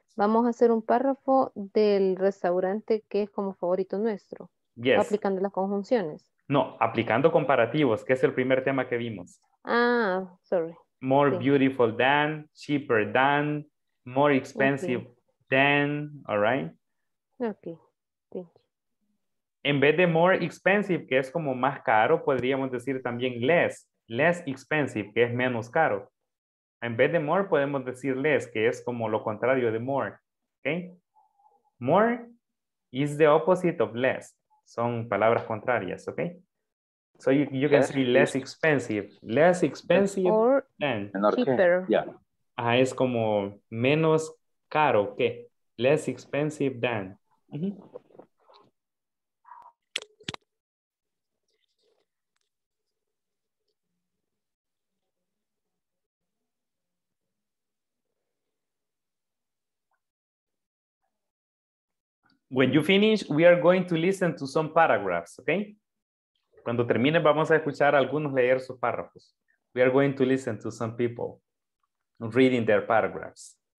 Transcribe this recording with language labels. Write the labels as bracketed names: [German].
[Spanish] Vamos a hacer un párrafo del restaurante que es como favorito nuestro. [English] Yes. [Spanish] Aplicando las conjunciones. No, aplicando comparativos, que es el primer tema que vimos. [English] Ah, sorry. More beautiful than, cheaper than, more expensive than, all right? Okay, thank you. [Spanish] En vez de [English] more expensive, [Spanish] que es como más caro, podríamos decir también less. [English] Less expensive, [Spanish] que es menos caro. En vez de more, podemos decir less, que es como lo contrario de more, okay? [English] More is the opposite of less. [Spanish] Son palabras contrarias, [English] okay? So you can say less expensive. Less expensive or than. Cheaper. Yeah. [Spanish] Ajá, es como menos caro que. [English] Less expensive than. Mm-hmm. When you finish, we are going to listen to some paragraphs, okay? [Spanish] Cuando termine, vamos a escuchar a algunos leer sus párrafos. [English] We are going to listen to some people reading their paragraphs.